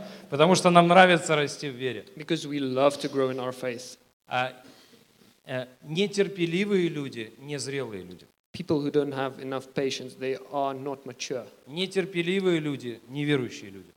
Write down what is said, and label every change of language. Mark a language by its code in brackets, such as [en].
[ru] Потому что нам нравится расти в вере. [en] Because we love to grow in our faith. [ru] Нетерпеливые люди, незрелые люди. [en] People who don't have enough patience, they are not mature. [ru] Нетерпеливые люди, неверующие люди.